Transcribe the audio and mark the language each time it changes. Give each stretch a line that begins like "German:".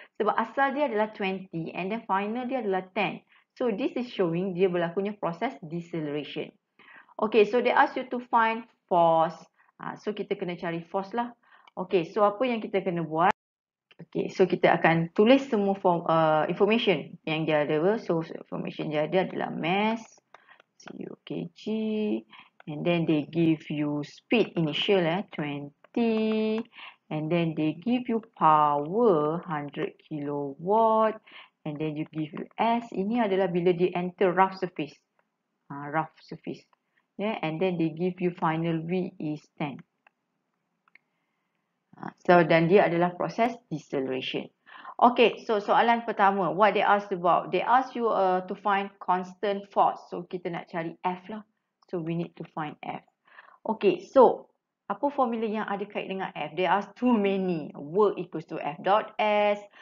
Malay: Sebab asal dia adalah 20
English: and then
Malay: final dia adalah 10.
English: So this is showing
Malay: dia berlakunya proses
English: deceleration. Okay, so they ask you to find force.
Malay: So kita kena cari force lah.
English: Okay, so
Malay: apa yang kita kena buat?
English: Okay, so
Malay: kita akan tulis semua form, information yang dia ada.
English: So information
Malay: dia ada adalah
English: mass, kg, and then they give you speed initial 20, and then they give you power 100 kW, and then you give you s.
Malay: Ini adalah bila dia
English: enter rough surface, rough surface, yeah, and then they give you final v is 10.
Malay: So dan dia adalah proses deceleration.
English: Okay, so
Malay: soalan pertama,
English: what they asked about? They ask you to find constant force. So,
Malay: kita nak cari F lah.
English: So, we need to find F. Okay, so,
Malay: apa formula yang ada kait dengan F?
English: They ask too many. Work equals to F dot S.